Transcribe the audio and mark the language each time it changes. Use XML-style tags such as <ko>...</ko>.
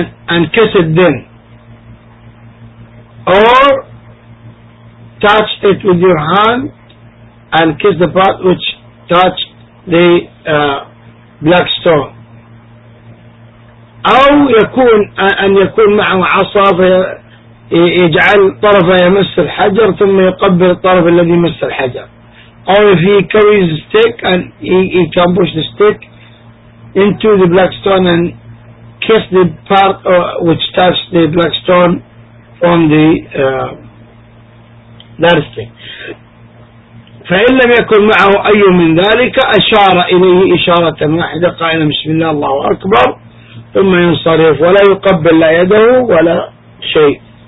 <en>and kiss it then, or touch it with your hand and kiss the part which touched the black stone.</en> <ar>أو يكون أن يكون معه عصا يجعل طرفه يمس الحجر ثم يقبل الطرف الذي مس الحجر.</ar> <en>Or if he carries a stick and he can push the stick into the black stone and kiss the part which touched the black stone from the that stick.</en> <ar>فإن لم يكن معه أي من ذلك أشار إليه إشارة واحدة قائلا بسم الله الله أكبر ثم ينصرف ولا يقبل لا يده ولا شيء.</ar>